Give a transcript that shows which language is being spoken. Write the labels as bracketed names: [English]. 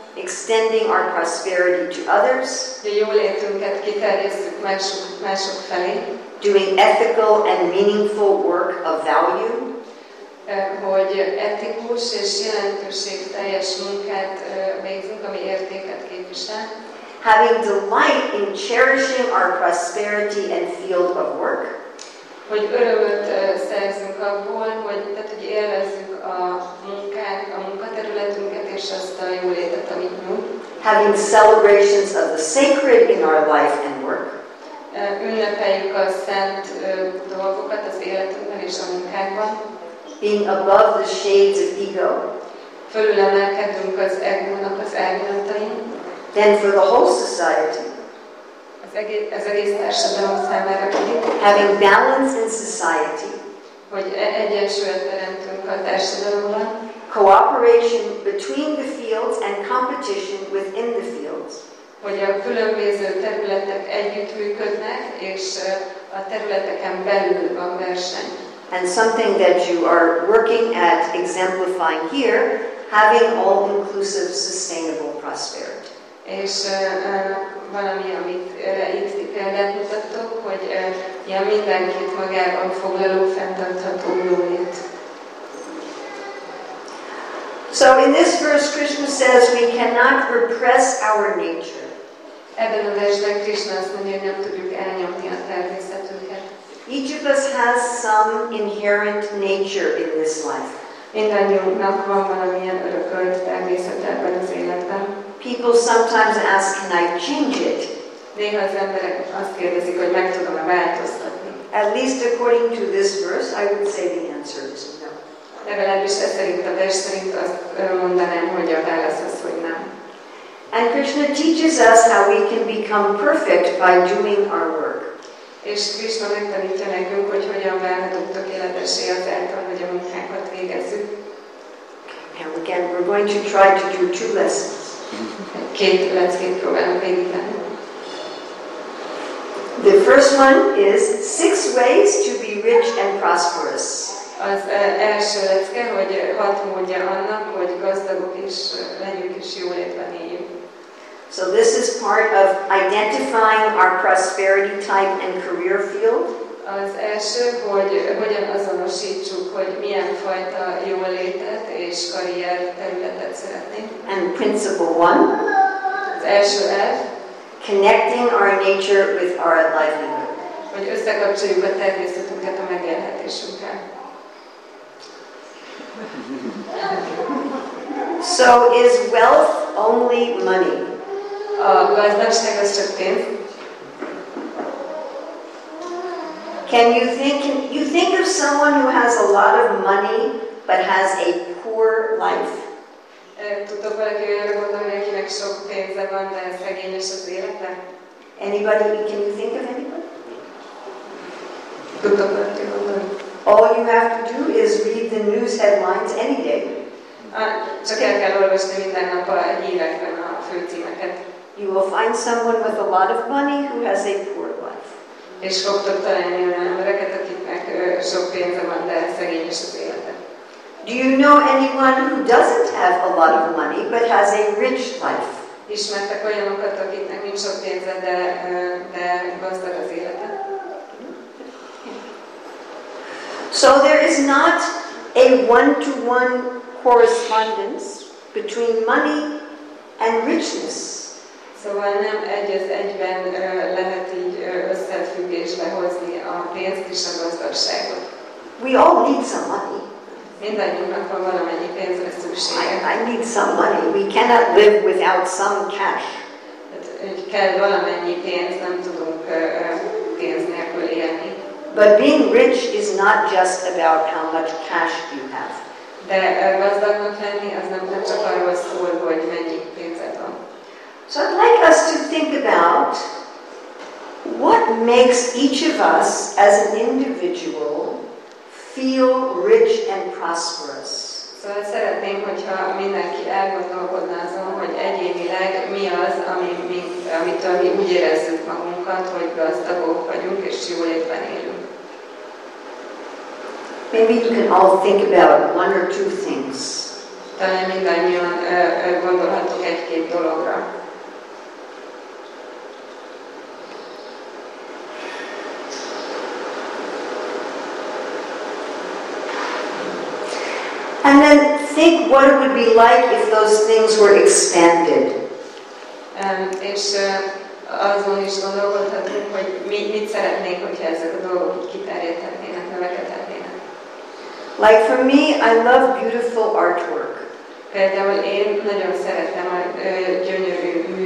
[English] Extending our prosperity to others. [Hungarian] A jólétünket kiterjesztjük mások felé. [English] Doing ethical and meaningful work of value. [Hungarian] Hogy etikus és jelentőségteljes munkát végzünk, ami értéket képvisel. [English] Having delight in cherishing our prosperity and field of work. [Hungarian] Hogy örömöt szerzünk abból, hogy élvezzük a munkát, a munkaterületünket és azt a jólétet, amit nyújt. [English] having celebrations of the sacred in our life and work. [Hungarian] Ünnepeljük a szent dolgokat az életünkben és a munkánkban. [English] Being above the shades of ego. [Hungarian] Fölülemelkedünk az egónak az árnyalatain. [English] Then for the whole society. [Hungarian] Az egész társadalom számára pedig. [English] Having balance in society. [Hungarian] Hogy egyensúlyt teremtünk a társadalomban. [English] Cooperation between the fields and competition within the fields. [Hungarian] Hogy a különböző területek együttműködnek, és a területeken belül van verseny. [English] And something that you are working at exemplifying here, having all-inclusive sustainable prosperity. [Hungarian] És valami, amit itt példát mutattok, hogy mindenkit magában foglaló fenntartható jólét. [English] So in this verse, Krishna says we cannot repress our nature. [Hungarian] Ebben a versben Krishna azt mondja, hogy nem tudjuk elnyomni a természetünket. [English] Each of us has some inherent nature in this life. [Hungarian] Mindannyiunknak van valamilyen örökölt természet ebben az életben. [English] People sometimes ask, can I change it? [Hungarian] Néha az emberek azt kérdezik, hogy meg tudom-e változtatni. [English] At least according to this verse, I would say the answer is no. [Hungarian] Legalábbis ez szerint a vers szerint azt mondanám, hogy a válasz az, hogy nem. [English] And Krishna teaches us how we can become perfect by doing our work. [Hungarian] És Krishna megtanítja nekünk, hogy hogyan válhatunk tökéletessé azáltal, hogy a munkánkat végezzük. [English] And again, we're going to try to do two lessons. [Hungarian] Két leckét próbálunk végíteni. [English] The first one is six ways to be rich and prosperous. [Hungarian] Az első lecke, hogy hat módja annak, hogy gazdagok is legyünk és jól éppen éljünk. [English] So this is part of identifying our prosperity type and career field. [Hungarian] Az első, hogy hogyan azonosítsuk, hogy milyen fajta jólétet és karrier területet szeretnénk. [English] And principle one. [Hungarian] Az első F. [English] Connecting our nature with our livelihood. [Hungarian] Hogy összekapcsoljuk a természetünket a megélhetésünkkel. [English] So is wealth only money? [Hungarian] A gazdagság az csak pénz? [English] Can you think? Can you think of someone who has a lot of money but has a poor life? [Hungarian] Tudok valaki olyanra gondolni, akinek sok pénze van, de szegényes az élete? [English] Anybody? Can you think of anybody? [Hungarian] Tudok valaki gondolni. [English] All you have to do is read the news headlines any day. [Hungarian] Csak el kell olvasni minden nap a hírekben a főcímeket. [English] You will find someone with a lot of money who has a poor life. [Hungarian] És fogtok találni olyan embereket, akiknek sok pénze van, de szegényes az élete. [English] Do you know anyone who doesn't have a lot of money but has a rich life? [Hungarian] Ismertek olyanokat, akiknek nincs sok pénze, de gazdag az élete? [English] So there is not a one-to-one correspondence between money and richness. [Hungarian] Szóval nem egy az egyben lehet így összefüggésbe hozni a pénzt és a gazdagságot. [English] We all need some money. [Hungarian] Mindannyiunknak van valamennyi pénzre szüksége. [English] I need some money. We cannot live without some cash. [Hungarian] Kell valamennyi pénz, nem tudunk pénz nélkül élni. [English] But being rich is not just about how much cash you have. [Hungarian] De gazdagnak lenni az nem csak arról szól, hogy mennyi pénzed van. [English] So I'd like us to think about what makes each of us as an individual feel rich and prosperous. So I'd [Hungarian] szeretném, hogyha mindenki elgondolkodna azon, hogy egyénileg mi az, amitől mi úgy érezzük magunkat, hogy gazdagok vagyunk és jól éppen élünk. [English] Maybe you can all think about one or two things. [Hungarian] Talán mindannyian gondolhatok egy-két dologra. [English] And then think what it would be like if those things were expanded. [Hungarian] És azon is gondolkodhatunk, hogy mit szeretnénk, hogyha ezek a dolgok kiterjedhetnének, növekedhetnének. [English] Like for me, I love beautiful artwork. [Hungarian] Például én nagyon szeretem a gyönyörű